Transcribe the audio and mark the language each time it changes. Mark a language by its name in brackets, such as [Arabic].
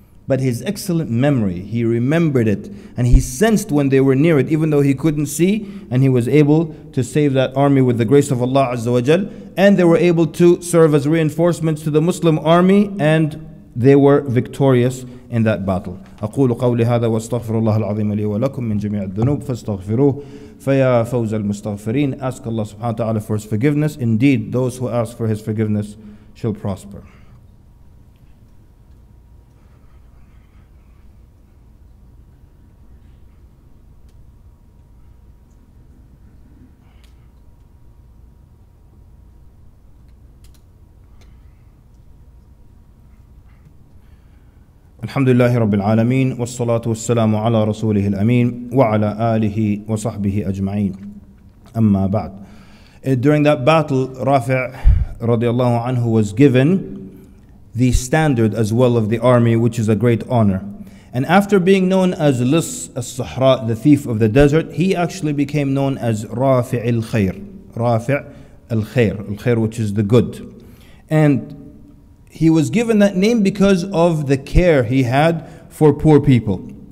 [English] But his excellent memory, he remembered it, and he sensed when they were near it, even though he couldn't see, and he was able to save that army with the grace of Allah Azza wa Jal, and they were able to serve as reinforcements to the Muslim army, and they were victorious in that battle. [Arabic] أقول قولي هذا واستغفر الله العظيم لي ولكم من جميع الذنوب فاستغفروه فيا فوز المستغفرين. [English] Ask Allah subhanahu wa ta'ala for his forgiveness. Indeed, those who ask for his forgiveness shall prosper. [Arabic] الحمد لله رب العالمين والصلاة والسلام على رسوله الأمين وعلى آله وصحبه أجمعين أما بعد. [English] During that battle, Rafi' [Arabic] رضي الله عنه [English] was given the standard as well of the army, which is a great honor. And after being known as Lis al-Sahra, the thief of the desert, he actually became known as Rafi' al-Khair. Rafi' al-Khair, al-Khair, which is the good. And he was given that name because of the care he had for poor people.